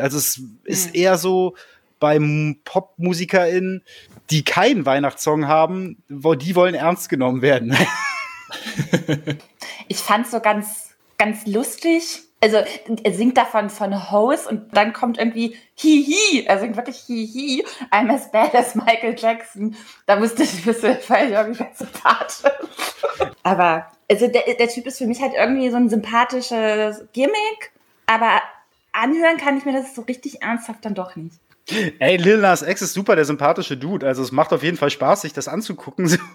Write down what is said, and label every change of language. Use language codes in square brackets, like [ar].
[de] Also, es ist eher so bei PopmusikerInnen, die keinen Weihnachtssong haben, die wollen ernst genommen werden. Ich fand's so ganz, ganz lustig. Also, er singt davon von Hose und dann kommt irgendwie Hihi. Er singt wirklich Hihi. [en] I'm as bad as Michael Jackson. [de] Da musste ich ein bisschen verhören, wie das Zitat. Aber. Also der Typ ist für mich halt irgendwie so ein sympathisches Gimmick, aber anhören kann ich mir das so richtig ernsthaft dann doch nicht. Ey, Lil Nas X ist super der sympathische Dude, also es macht auf jeden Fall Spaß, sich das anzugucken, so.